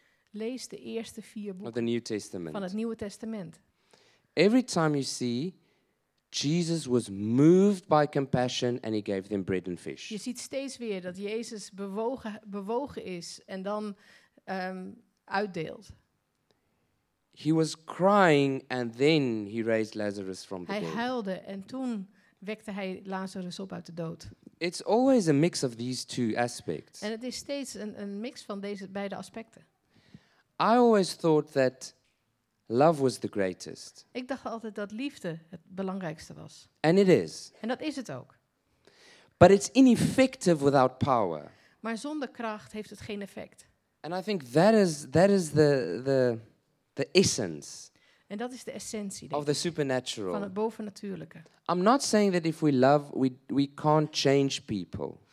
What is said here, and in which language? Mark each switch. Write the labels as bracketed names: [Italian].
[Dutch] Lees de eerste vier boeken [English] of the New Testament. [Dutch] Van het Nieuwe Testament. [English] Every time you see Jesus was moved by compassion and he gave them bread and fish. [Dutch] Je ziet steeds weer dat Jezus bewogen is en dan uitdeelt. [English] He was crying and then he raised Lazarus from the [Dutch] hij [English] dead. [Dutch] Hij huilde en toen wekte hij Lazarus op uit de dood. [English] It's always a mix of these two aspects. [Dutch] En het is steeds een mix van deze beide aspecten. [English] I always thought that love was the greatest. [Dutch] Ik dacht altijd dat liefde het belangrijkste was. [English] And it is. [Dutch] En dat is het ook. [English] But it's ineffective without power. [Dutch] Maar zonder kracht heeft het geen effect. [English] And I think that is the essence. [Dutch] En dat is de essentie [English] of the supernatural. [Dutch] Van het bovennatuurlijke. [English] I'm not saying that if we love we can't change people.